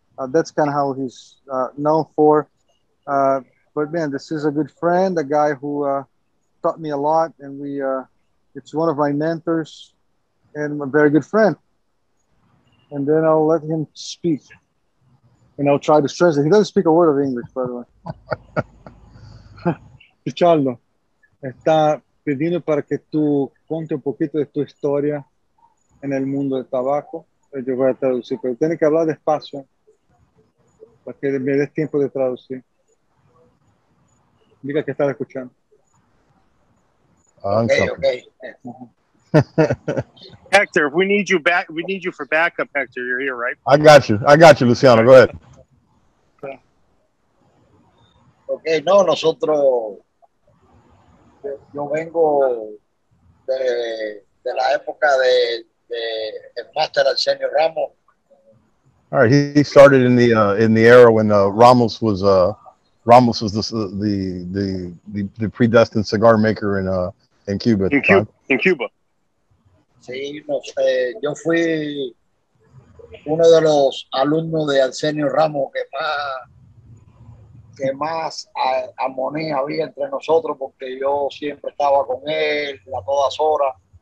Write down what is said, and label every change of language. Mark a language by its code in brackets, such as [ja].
[en] That's kind of how he's known for. But man, this is a good friend, a guy who taught me a lot, and it's one of my mentors and a very good friend. And then I'll let him speak, and I'll try to stress it. He doesn't speak a word of English, by the way. [es] Pichardo está pidiendo para que tú conte un poquito de tu historia en el mundo del tabaco. Yo voy a traducir, pero tiene que hablar despacio para que me des tiempo de traducir. Diga que estás escuchando. [en] Okay. Hector, we need you back. We need you for backup, Hector. You're here, right? I got you, Luciano. Go ahead. [es] Okay, no, nosotros... Yo vengo de la época de el Master Arsenio Ramos. [en] All right, he started in the era when Ramos was the predestined cigar maker in Cuba. In Cuba. [es] Sí, no sé. Yo fui uno de los alumnos de Arsenio Ramos que más armonía había entre nosotros porque yo siempre estaba con él a todas horas.